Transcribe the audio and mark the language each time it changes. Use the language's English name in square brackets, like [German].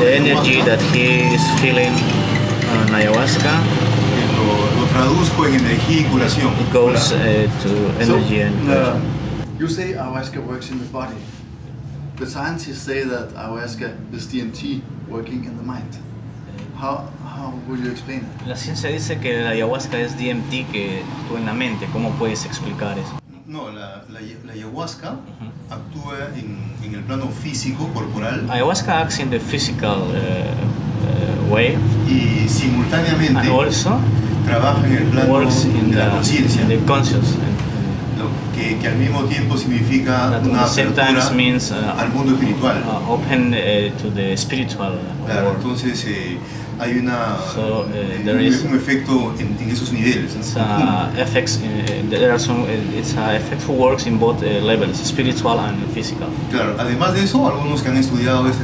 [English] the energy that he is feeling on ayahuasca. [Spanish] Lo traduzco en energía y curación. [English] It goes to energy and curation. You say ayahuasca works in the body. The scientists say that ayahuasca is DMT working in the mind. How would you explain it? [Spanish] La ciencia dice que la ayahuasca es DMT que tú en la mente. ¿Cómo puedes explicar eso? No, la ayahuasca actúa en el plano físico, corporal. [English] Ayahuasca acts in the physical way. [Spanish] Y simultáneamente [English] and also [Spanish] trabaja en el plano [English] works in [Spanish] de la conciencia. [English] The conscious. [Spanish] Lo que al mismo tiempo significa una apertura [English] means, [Spanish] al mundo espiritual. [English] Open to the spiritual [Spanish] claro, [English] world. [Spanish] Entonces hay una [English] so, [Spanish] un efecto en esos niveles. [English] It's a effects in, there are some, it's a effect who works in both levels, spiritual and physical. [Spanish] Claro, además de eso, algunos que han estudiado este